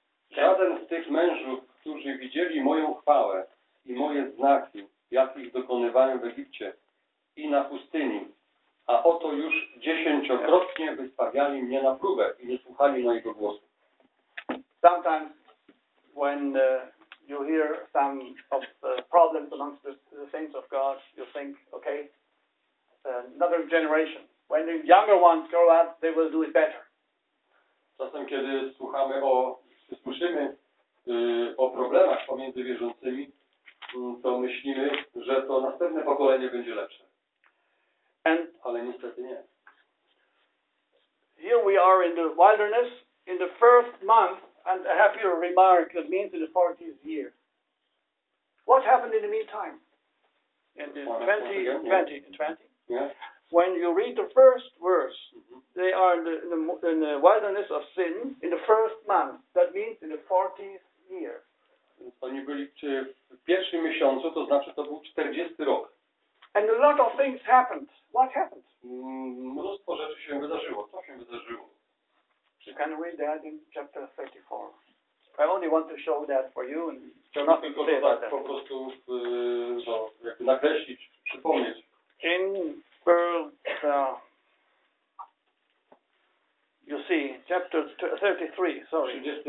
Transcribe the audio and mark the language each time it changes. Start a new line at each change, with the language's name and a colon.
Polish: Żaden z tych mężów, którzy widzieli moją chwałę i moje znaki, jakich dokonywałem w Egipcie i na pustyni, a oto już 10-krotnie wystawiali mnie na próbę i nie słuchali mojego głosu.
English: Sometimes when you hear some of the problems amongst the saints of God, you think, okay, another generation. When the younger ones grow up, they will do it better.
Polish: Czasem, kiedy słuchamy o, słyszymy o problemach pomiędzy wierzącymi, to myślimy, że to następne pokolenie będzie lepsze.
English: And
Polish: ale niestety nie.
English: Here we are in the wilderness, in the first month. And I have your remark that means in the 40th year. What happened in the meantime? In the 20. Yeah. When you read the first verse, they are in the wilderness of sin in the first month. That means in the 40th year.
Polish: Oni byli w pierwszym miesiącu, to znaczy to był 40 rok.
English: And a lot of things happened. What happened?
Polish: Mnóstwo rzeczy się wydarzyło. Co się wydarzyło?
English: You can read that in chapter 34. I only want to show that for you and so not to say
Polish: tak,
English: that.
Polish: Po prostu jakby nakreślić, przypomnieć.
English: In verse, you see, chapter 33, sorry.